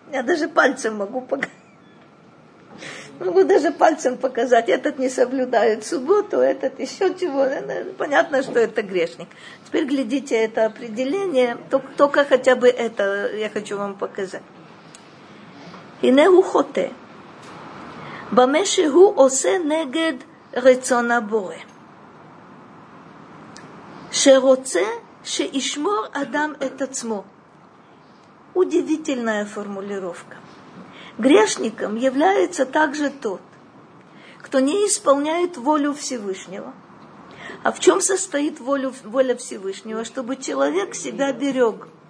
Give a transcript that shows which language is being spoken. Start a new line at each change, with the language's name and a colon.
Russian: Я даже пальцем могу показать. Этот не соблюдает субботу, этот еще чего. Понятно, что это грешник. Теперь глядите это определение, только хотя бы это я хочу вам показать.
Hebrew: הנה הוא חוטא, במה שהוא עושה נגד רצון הבורא, שרוצה שישמור אדם את עצמו.
Russian: Удивительная формулировка. Грешником является также тот, кто не исполняет волю Всевышнего. А в чем состоит воля Всевышнего? Чтобы человек себя берег.